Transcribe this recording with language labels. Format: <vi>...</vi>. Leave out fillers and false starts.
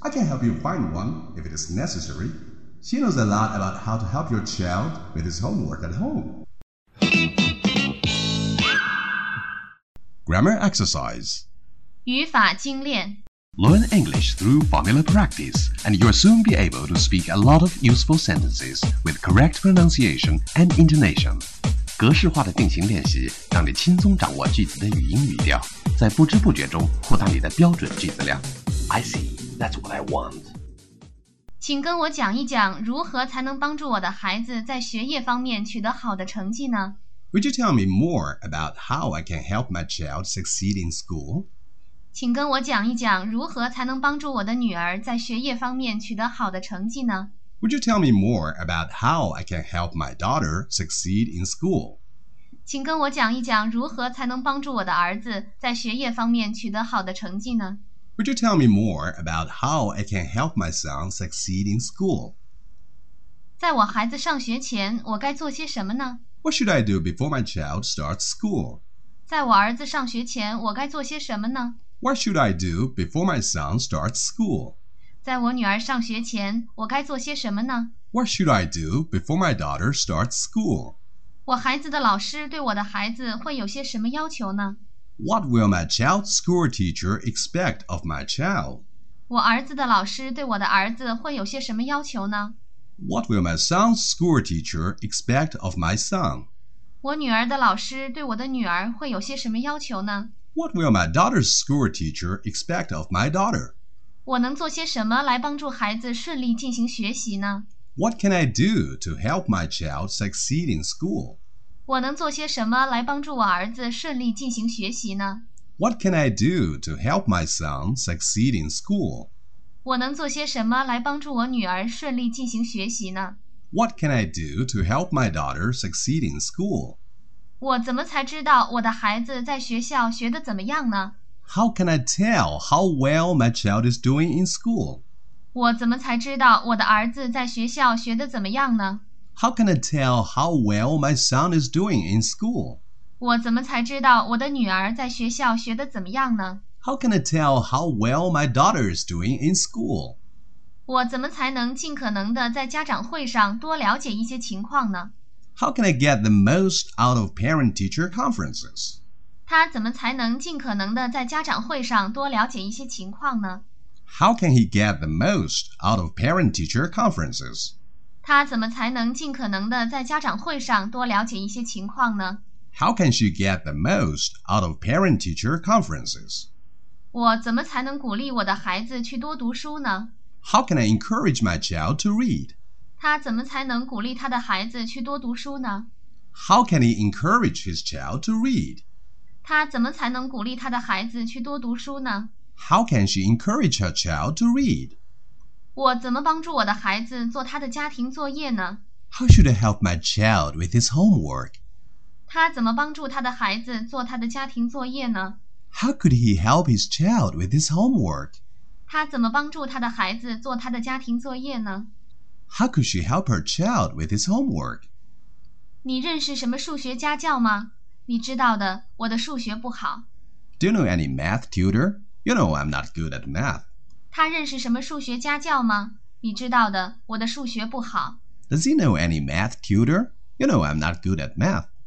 <en>I can help you find one if it is necessary. She knows a lot about how to help your child with his homework at home. Grammar exercise.</en> <zh>语法精炼。</zh> <en>Learn English through formula practice, and you'll soon be able to speak a lot of useful sentences with correct pronunciation and intonation.</en> <zh>格式化的定型练习让你轻松掌握句子的语音语调，在不知不觉中扩大你的标准句子量。</zh> <en>I see, that's what I want.</en> <zh>请跟我讲一讲如何才能帮助我的孩子在学业方面取得好的成绩呢？</zh> <en>Would you tell me more about how I can help my child succeed in school?</en> <zh>请跟我讲一讲如何才能帮助我的女儿在学业方面取得好的成绩呢？</zh> <en>Would you tell me more about how I can help my daughter succeed in school?</en> <zh>请跟我讲一讲如何才能帮助我的儿子在学业方面取得好的成绩呢？</zh> <en>Would you tell me more about how I can help my son succeed in school?</en> <zh>在我孩子上学前，我该做些什么呢？</zh> <en>What should I do before my child starts school?</en> <zh>在我儿子上学前，我该做些什么呢？</zh> <en>What should I do before my son starts school?</en> <zh>在我女儿上学前，我该做些什么呢？</zh> <en>What should I do before my daughter starts school?</en> <zh>我孩子的老师对我的孩子会有些什么要求呢？</zh> <en>What will my child's school teacher expect of my child?</en> <zh>我儿子的老师对我的儿子会有些什么要求呢？</zh> <en>What will my son's school teacher expect of my son?</en> <zh>我女儿的老师对我的女儿会有些什么要求呢？</zh> <en>What will my daughter's school teacher expect of my daughter?</en> <zh>我能做些什么来帮助孩子顺利进行学习呢？</zh> <en>What can I do to help my child succeed in school?</en> <zh>我能做些什么来帮助我儿子顺利进行学习呢？</zh> <en>What can I do to help my son succeed in school?</en> <zh>我能做些什么来帮助我女儿顺利进行学习呢？</zh> <en>What can I do to help my daughter succeed in school?</en> <zh>我怎么才知道我的孩子在学校学得怎么样呢？</zh> <en>How can I tell how well my child is doing in school?</en> <zh>我怎么才知道我的儿子在学校学得怎么样呢？</zh> <en>How can I tell how well my son is doing in school?</en> <zh>我怎么才知道我的女儿在学校学得怎么样呢？</zh> <en>How can I tell how well my daughter is doing in school?</en> <zh>我怎么才能尽可能地在家长会上多了解一些情况呢？</zh> <en>How can I get the most out of parent-teacher conferences?</en> <zh>他怎么才能尽可能地在家长会上多了解一些情况呢？</zh> <en>How can he get the most out of parent-teacher conferences?</en> <zh>他怎么才能尽可能地在家长会上多了解一些情况呢？</zh> <en>How can she get the most out of parent-teacher conferences?</en> <zh>我怎么才能鼓励我的孩子去多读书呢？</zh> <en>How can I encourage my child to read?</en> <zh>他怎么才能鼓励他的孩子去多读书呢？</zh> <en>How can he encourage his child to read?</en> <zh>他怎么才能鼓励他的孩子去多读书呢？</zh> <en>How can she encourage her child to read?</en> <zh>我怎么帮助我的孩子做他的家庭作业呢？</zh> <en>How should I help my child with his homework?</en> <zh>他怎么帮助他的孩子做他的家庭作业呢？</zh> <en>How could he help his child with his homework?</en> <zh>他怎么帮助他的孩子做他的家庭作业呢？</zh> <en>How could she help her child with his homework?</en> <zh>你认识什么数学家教吗？你知道的，我的数学不好。</zh> <en>Do you know any math tutor? You know I'm not good at math.</en> <zh>他认识什么数学家教吗？你知道的，我的数学不好。</zh> <en>Does he know any math tutor? You know I'm not good at math.</en>